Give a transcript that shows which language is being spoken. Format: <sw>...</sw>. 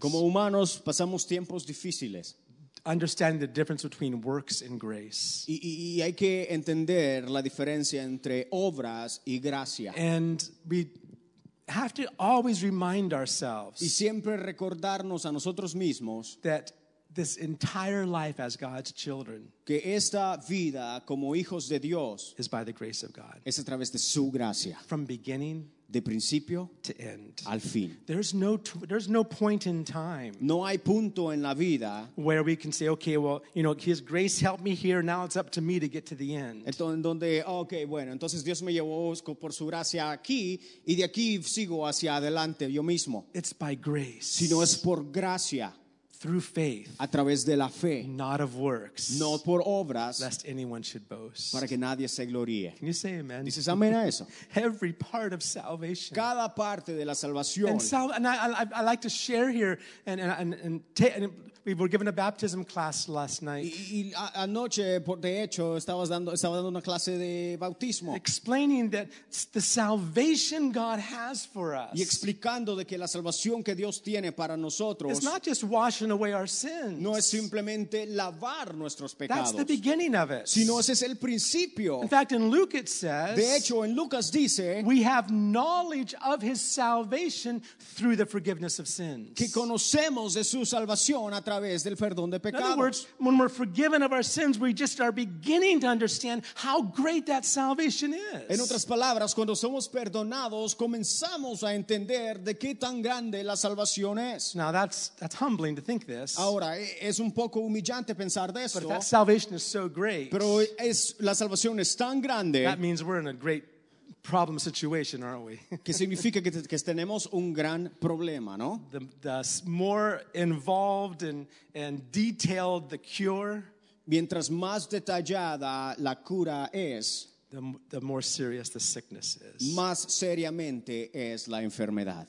<es>Como humanos pasamos tiempos difíciles.</es> <en>Understanding the difference between works and grace.</en> <es>Y hay que entender la diferencia entre obras y gracia.</es> <en>And we have to always remind ourselves.</en> <es>Y siempre recordarnos a nosotros mismos.</es> <en>That this entire life as God's children.</en> <es>Que esta vida como hijos de Dios.</es> <en>Is by the grace of God.</en> <es>Es a través de su gracia.</es> <en>From beginning.</en> <es>De principio</es> <en>to end.</en> <es>Al fin.</es> <en>There's no point in time.</en> <es>No hay punto en la vida</es> <en>where we can say, okay, well, you know, His grace helped me here. Now it's up to me to get to the end.</en> <es>Entonces Dios me llevó por su gracia aquí y de aquí sigo hacia adelante yo mismo.</es> <en>It's by grace.</en> <es>Sino es por gracia.</es> <en>Through faith.</en> <es>A través de la fe.</es> <en>Not of works.</en> <es>No por obras.</es> <en>Lest anyone should boast.</en> <es>Para que nadie se gloríe.</es> <en>Can you say amen?</en> <es>Dices amén a eso.</es> <en>Every part of salvation.</en> <es>Cada parte de la salvación.</es> <en>And I like to share here and we were given a baptism class last night.</en> <es>Anoche, de hecho, estaba dando una clase de bautismo.</es> <en>Explaining that the salvation God has for us.</en> <es>Y explicando de que la salvación que Dios tiene para nosotros.</es> <en>It's not just washing away our sins.</en> <es>No es simplemente lavar nuestros pecados.</es> <en>That's the beginning of it.</en> <es>Sino ese es el principio.</es> <en>In fact, in Luke it says.</en> <es>De hecho, en Lucas dice.</es> <en>We have knowledge of His salvation through the forgiveness of sins.</en> <es>Que conocemos de su salvación. A través del perdón de pecados.</es> <en>In other words, when we're forgiven of our sins, we just are beginning to understand how great that salvation is.</en> <es>En otras palabras, cuando somos perdonados, comenzamos a entender de qué tan grande la salvación es.</es> <en>Now that's humbling to think this.</en> <es>Ahora es un poco humillante pensar de esto.</es> <en>But that salvation is so great.</en> <es>Pero es la salvación es tan grande.</es> <en>That means we're in a great problem situation, aren't we?</en> <es>Que significa que tenemos un gran problema, ¿no?</es> <en>The more involved and detailed the cure,</en> <es>mientras más detallada la cura es,</es> <en>the more serious the sickness is.</en> <es>Más seriamente es la enfermedad.</es>